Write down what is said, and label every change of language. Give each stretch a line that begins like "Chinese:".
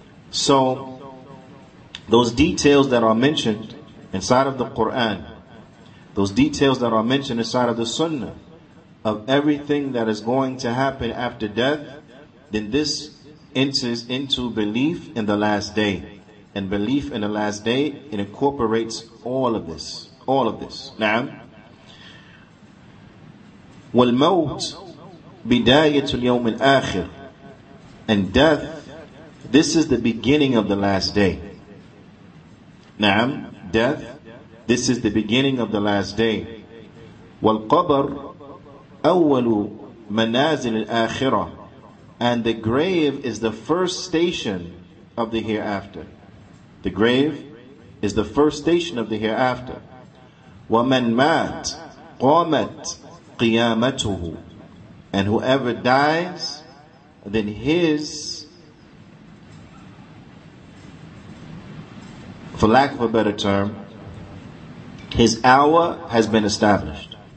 English: So, those details that are mentioned inside of the Qur'an, those details that are mentioned inside of the sunnah, of everything that is going to happen after death, then this enters into belief in the last day. And belief in the last day, it incorporates all of this. All of this. Na'am.
Arabic: والموت بداية اليوم الآخر.
English: And death, this is the beginning of the last day. Na'am. Death, this is the beginning of the last day.
Arabic: والقبر أول منازل الآخرة.
English: And the grave is the first station of the hereafter. The grave is the first station of the hereafter.
Arabic: وَمَنْ مَاتْ قَامَتْ قِيَامَتُهُ
English: And whoever dies, then his, for lack of a better term, his hour has been established.